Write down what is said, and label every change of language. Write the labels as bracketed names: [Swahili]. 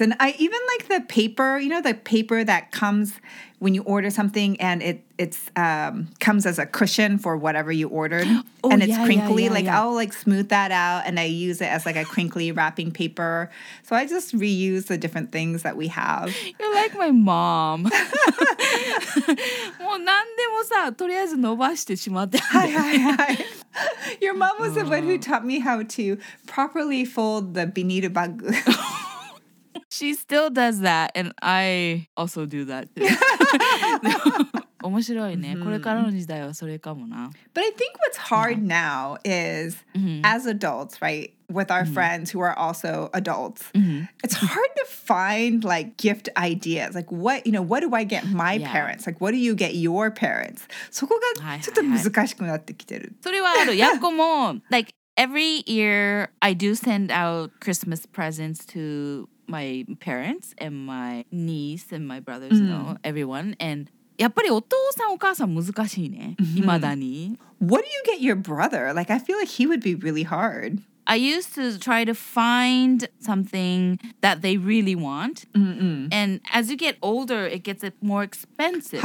[English] And I even like the paper, you know, the paper that comes when you order something and it comes as a cushion for whatever you ordered. Oh, and it's yeah, crinkly, yeah, yeah, like yeah. I'll like smooth that out and I use it as like a crinkly wrapping paper. So I just reuse the different things that we have. You're like my mom. [Japanese] もう何でもさ、とりあえず伸ばしてしまって。はいはいはい。 [English] Your mom was the one who taught me how to properly fold the biniru bag. She still does that and I also do that too. [Japanese] 面白いね。これからの時代はそれかもな。 [English] But I think what's hard now is, as adults, right, with our friends who are also adults, it's hard to find, like, gift ideas. Like, what, you know, what do I get my parents? Like, what do you get your parents? [Japanese] そこがちょっと難しくなってきてる。それはある。 [English] やっこも、like, every year I do send out Christmas presents to my parents and my niece and my brothers and everyone, and... [Japanese] やっぱりお父さんお母さん難しいね。いまだに。 [English] What do you get your brother? Like, I feel like he would be really hard. I used to try to find something that they really want. Mm-mm. And as you get older, it gets more expensive.